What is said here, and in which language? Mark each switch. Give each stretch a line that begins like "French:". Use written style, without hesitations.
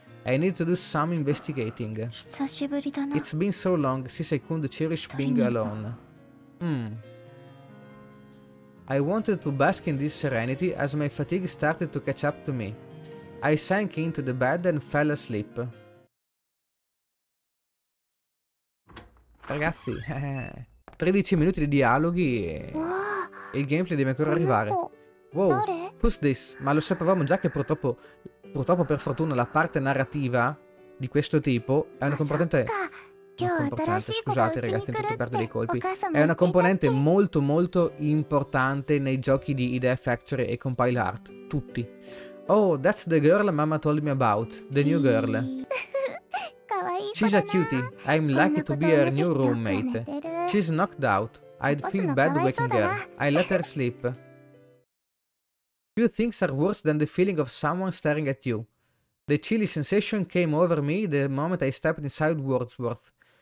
English: I need to do some investigating. It's been so long since I couldn't cherish being alone. I wanted to bask in this serenity as my fatigue started to catch up to me. I sank into the bed and fell asleep.
Italian: Ragazzi, 13 minuti di dialoghi e il gameplay deve ancora arrivare.
English: Wow, who's this?
Italian: Ma lo sapevamo già che purtroppo... Purtroppo, per fortuna, la parte narrativa di questo tipo è una componente... È una componente molto, molto importante nei giochi di Idea Factory e Compile Art. Tutti.
English: Oh, that's the girl mamma told me about. The new girl. She's a cutie. I'm lucky to be her new roommate. She's knocked out. I'd feel bad waking her. I let her sleep. Few things are worse than the feeling of someone staring at you. The chilly sensation came over me the moment I stepped inside Wordsworth.